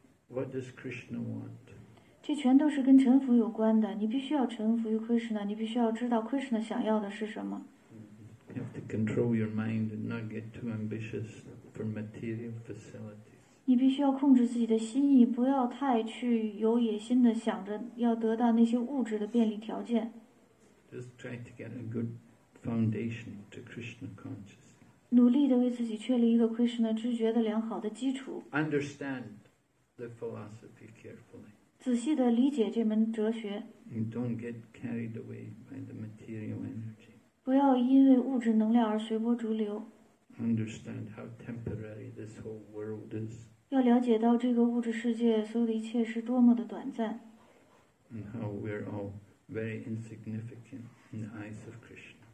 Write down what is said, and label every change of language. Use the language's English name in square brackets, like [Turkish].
[English] What does Krishna want? [Chinese] 这全都是跟臣服有关的。你必须要臣服于 Krishna， 你必须要知道 Krishna 想要的是什么。 [English] You have to control your mind and not get too ambitious for material facilities. [Chinese] 你必须要控制自己的心意，不要太去有野心的想着要得到那些物质的便利条件。 [English] Just try to get a good foundation to Krishna consciousness. [Chinese] 努力的为自己确立一个 Krishna 知觉的良好的基础。 [English] Understand. The philosophy carefully. [Chinese] 仔细地理解这门哲学。 [English] And don't get carried away by the material energy. [Chinese] 不要因为物质能量而随波逐流。 [English] Understand how temporary this whole world is. [Chinese] 要了解到这个物质世界所有的一切是多么的短暂。 [English] And how we're all very insignificant in the eyes of Krishna.